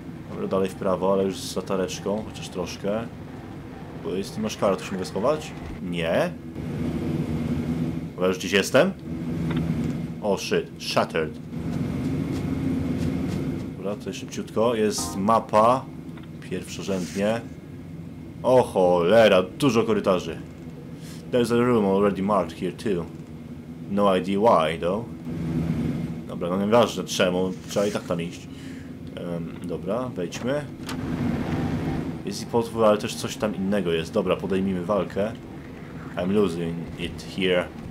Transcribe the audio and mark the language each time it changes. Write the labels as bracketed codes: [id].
[pl] Dobra, dalej w prawo, ale już z latareczką, chociaż troszkę. Bo jest tu maszkara, to się mogę schować? Nie. Ale już gdzieś jestem? [en] Oh shit, shattered. [pl] Dobra, tutaj szybciutko, jest mapa, pierwszorzędnie. O cholera, dużo korytarzy. [en] There's a room already marked here too. No idea why, though. [pl] Dobra, no nieważne czemu, trzeba i tak tam iść. Dobra, wejdźmy. Jest i potwór, ale też coś tam innego jest. Dobra, podejmijmy walkę. [en] I'm losing it here.